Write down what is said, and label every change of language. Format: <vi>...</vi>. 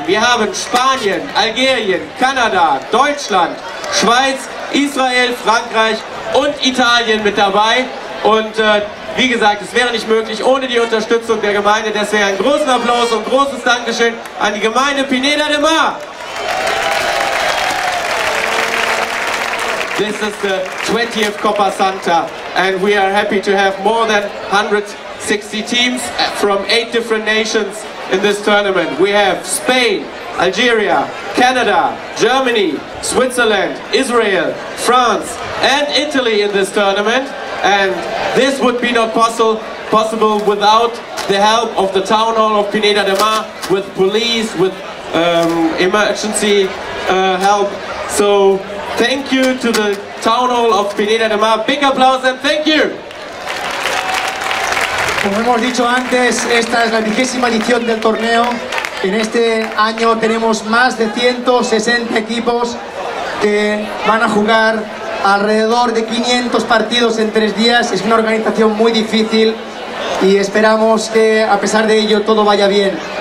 <de>Wir haben Spanien, Algerien, Kanada, Deutschland, Schweiz, Israel, Frankreich und Italien mit dabei. Und wie gesagt, es wäre nicht möglich ohne die Unterstützung der Gemeinde. Deswegen einen großen Applaus und großes Dankeschön an die Gemeinde Pineda de Mar.</de> <en>This is the 20th Copa Santa and we are happy to have more than 160 teams from 8 different nations in this tournament. We have Spain, Algeria, Canada, Germany, Switzerland, Israel, France and Italy in this tournament. And this would be not possible without the help of the town hall of Pineda de Mar, with police, with emergency help. So thank you to the town hall of Pineda de Mar. Big applause and thank you.</en> <es>Como hemos dicho antes, esta es la vigésima edición del torneo. En este año tenemos más de 160 equipos que van a jugar alrededor de 500 partidos en 3 días. Es una organización muy difícil y esperamos que a pesar de ello todo vaya bien.</es>